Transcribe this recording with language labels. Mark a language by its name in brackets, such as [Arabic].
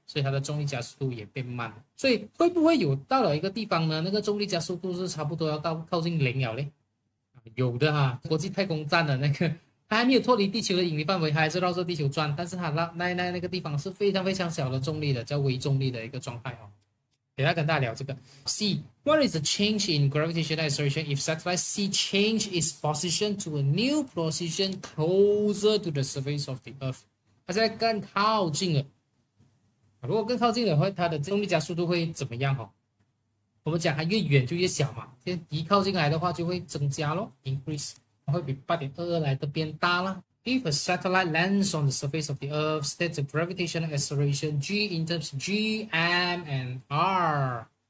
[Chinese] 所以它的重力加速度也变慢了。所以会不会有到了一个地方呢？那个重力加速度是差不多要到靠近零了嘞？有的哈，国际太空站的那个，它还没有脱离地球的引力范围，它还是绕着地球转，但是它那个地方是非常非常小的重力的，叫微重力的一个状态哦。等下跟大家聊这个。 [English] C，What is the change in gravitational acceleration if satellite C change its position to a new position closer to the surface of the Earth？ [Chinese] 它现在更靠近了。如果更靠近的话，它的重力加速度会怎么样？哦，我们讲它越远就越小嘛。现在一靠近来的话，就会增加咯，increase，会比8.22来的变大啦。 [English] If a satellite lands on the surface of the Earth, state the gravitational acceleration g in terms of g, m, and r。